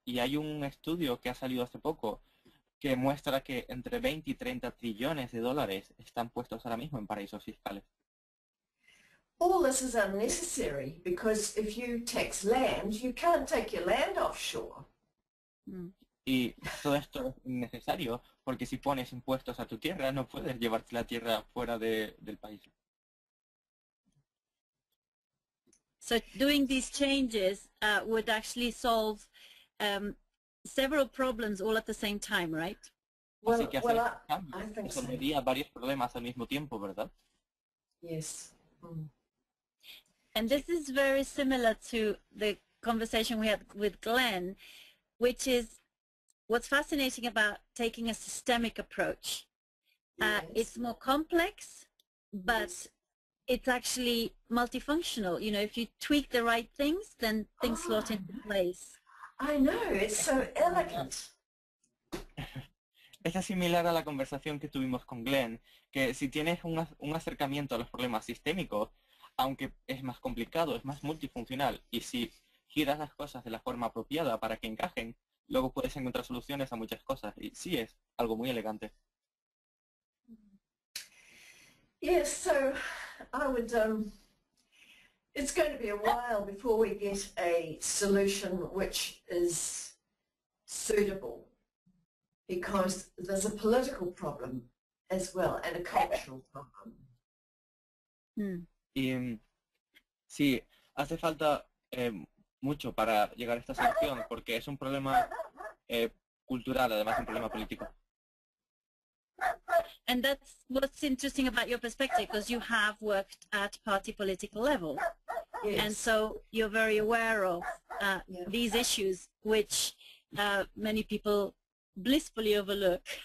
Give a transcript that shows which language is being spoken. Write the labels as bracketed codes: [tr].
[es] Y hay un estudio que ha salido hace poco que muestra que entre 20 y 30 trillones de dólares están puestos ahora mismo en paraísos fiscales. [en] All this is unnecessary because if you tax land, you can't take your land offshore. [es] Y todo esto es innecesario porque si pones impuestos a tu tierra, no puedes llevarte la tierra fuera de, del país. [en] So doing these changes would actually solve several problems all at the same time, right? [es] Así que hacer cambios resolvería varios problemas al mismo tiempo, ¿verdad? [en] Yes. And this is very similar to the conversation we had with Glenn, which is what's fascinating about taking a systemic approach. Yes. It's more complex, but yes, it's actually multifunctional. You know, if you tweak the right things, then things slot into place. I know, it's so elegant. [es] Es similar a la conversación que tuvimos con Glenn, que si tienes un acercamiento a los problemas sistémicos, aunque es más complicado, es más multifuncional, y si giras las cosas de la forma apropiada para que encajen, luego puedes encontrar soluciones a muchas cosas, y sí, es algo muy elegante. [en] Yes, so I would, it's going to be a while before we get a solution which is suitable, because there's a political problem as well, and a cultural problem. [es] Y sí, hace falta mucho para llegar a esta solución, porque es un problema cultural, además un problema político. [en] And that's what's interesting about your perspective, because you have worked at party political level. Yes. And so you're very aware of these issues, which many people blissfully overlook.